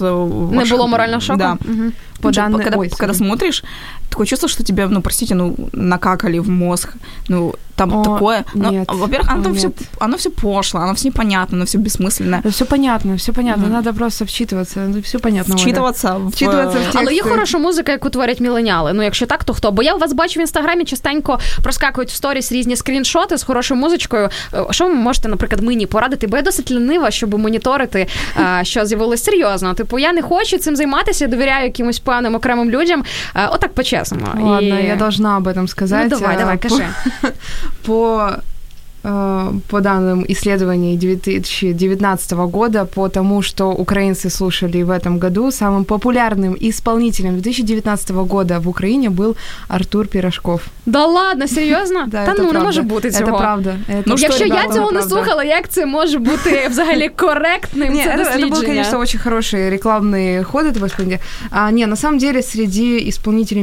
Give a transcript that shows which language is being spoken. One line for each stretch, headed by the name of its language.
Russian: Не было морального шока? Да. Угу. Когда смотришь... Такое чувство, что тебе, ну, простите, ну, накакали в мозг, ну, там такое. Ну, нет. Во-первых, оно все пошло, оно все непонятно, оно все бессмысленно. Да, все понятно, mm-hmm. Надо просто вчитываться, ну, все понятно. Вчитываться в текст.
Ukrainian: Але є хороша музика, яку творять міленіали, ну, якщо так, то хто? Бо я вас бачу в інстаграмі, частенько проскакують в сторіс різні скріншоти з хорошою музичкою. Що ви можете, наприклад, мені порадити? Бо я досить лінива, щоб моніторити, що з'явилось серйозно. Типу, я не хочу цим займатися, я довіряю якимось певним окремим людям. Отак,
Russian: честно. Ладно, я должна об этом сказать.
Ukrainian: Ну, давай, кажи.
Russian: По по данным исследований 2019 года, по тому, что украинцы слушали в этом году, самым популярным исполнителем 2019 года в Украине был Артур Пирожков. Да ладно, серьезно? Да,
Ukrainian: та,
Russian: это ну, правда.
Ukrainian: Не може бути цього.
Russian: Это правда. Это
Ukrainian: ну, якщо правда, я цього не слухала, як це може бути взагалі коректним, це дослідження? Це був, звісно, дуже хороший рекламний ход
Russian: этого исполнителя. А, не, на самом деле, среди исполнителей